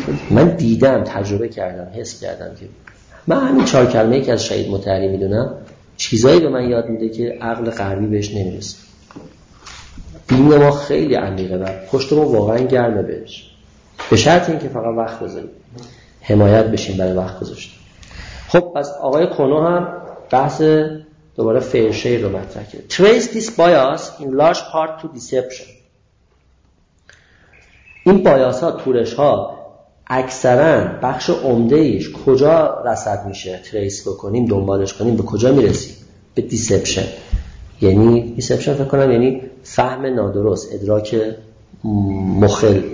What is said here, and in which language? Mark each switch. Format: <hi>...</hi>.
<fa>من دیدم، تجربه کردم، حس کردم که من همین چهار کلمه که از شهید مطهری میدونم چیزایی به من یاد میده که عقل غربی بهش نمیرسه. دین ما خیلی عمیقه و پشتمون واقعا گرمه بهش، به شرط اینکه فقط وقت بذاریم، حمایت بشیم برای وقت گذاشتن. خب پس آقای کنو هم بحث دوباره فیرشه رو مطرح کرد.</fa> <en>Trace this bias in large part to deception.</en> <fa>این بایاس ها، تورش ها اکثرا بخش عمده ایش کجا رصد میشه؟ تریس بکنیم، دنبالش کنیم، به کجا میرسیم؟ به دیسپشن. یعنی دیسپشن فکر کنم یعنی فهم نادرست، ادراک مخل،</fa>